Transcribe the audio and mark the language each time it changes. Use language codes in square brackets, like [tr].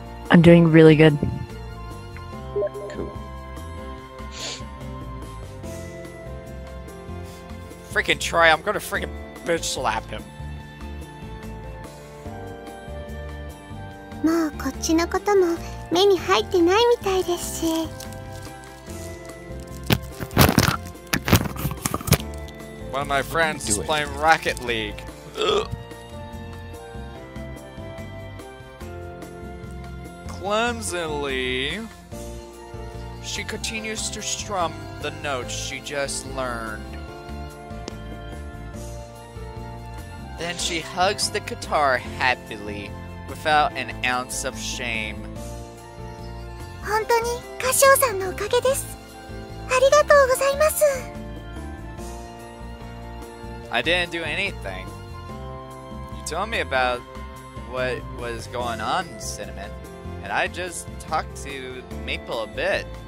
[en] I'm doing really good. Cool. Freaking Troy, I'm gonna freaking bitch slap him. [ja] もうこっちのことも目に入ってないみたいですし。 [en] One of my friends is playing Rocket League. Clumsily, she continues to strum the notes she just learned. Then she hugs the guitar happily, without an ounce of shame. [ja] 本当に歌唱さんのおかげです。ありがとうございます。 [en] I didn't do anything. You told me about what was going on, Cinnamon, and I just talked to Maple a bit.